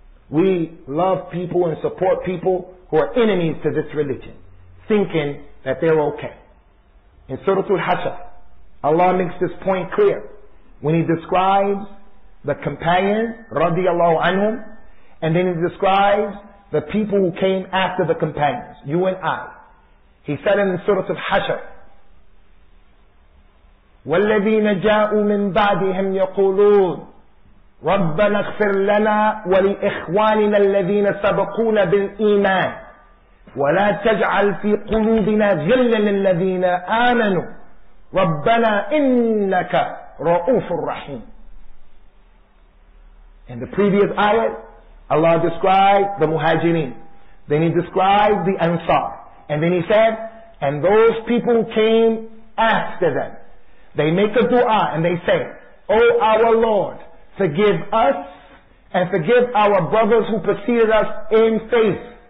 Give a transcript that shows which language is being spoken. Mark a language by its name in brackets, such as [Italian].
[English] We love people and support people who are enemies to this religion, thinking that they're okay. In Surah Al-Hashr, Allah makes this point clear when He describes the companions, radiallahu anhum, and then He describes the people who came after the companions, you and I. He said in the Surah Al-Hashr, [Arabic] وَالَّذِينَ جَاءُوا مِن بَعْدِهِمْ يَقُولُونَ رَبَّنَا اغْفِرْ لَنَا وَلِإِخْوَانِنَا الَّذِينَ سَبَقُونَا بِالْإِيمَانِ وَلَا تَجْعَلْ فِي قُلُوبِنَا غِلًّا لِلَّذِينَ آمَنُوا رَبَّنَا إِنَّكَ رَؤُوفٌ رَحِيمٌ. [English] In the previous ayat, Allah described the Muhajirin. Then He described the Ansar. And then He said, and those people who came after them, they make a dua and they say, O our Lord, forgive us and forgive our brothers who preceded us in faith.